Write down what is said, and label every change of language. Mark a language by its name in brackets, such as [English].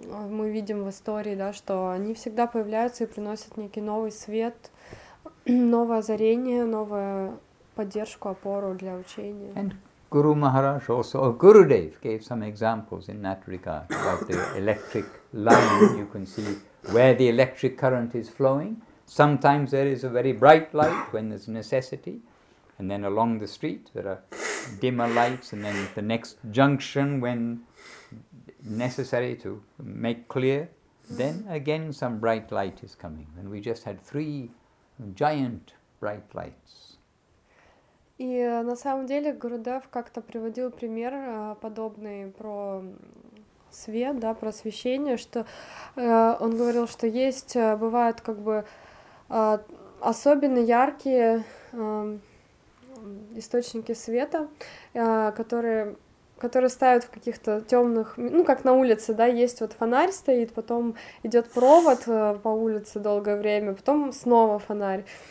[Russian] Мы видим в истории, да, что они всегда появляются и приносят некий новый свет, новое озарение, новую поддержку, опору для учения. [English] And Guru Maharaj also, or Gurudev, gave some examples in that regard, about the electric line. You can see where the electric current is flowing. Sometimes there is a very bright light when there's necessity, and then along the street there are dimmer lights, and then at the next junction when necessary to make clear, then again some bright light is coming. And we just had three giant bright lights. [Russian] И на самом деле Гурудев как-то приводил пример подобный про свет, да, про освещение, что он говорил, что есть, бывают как бы особенно яркие источники света, которые ставят в каких-то темных, ну как на улице, да, есть вот фонарь стоит, потом идет провод по улице долгое время, потом снова фонарь.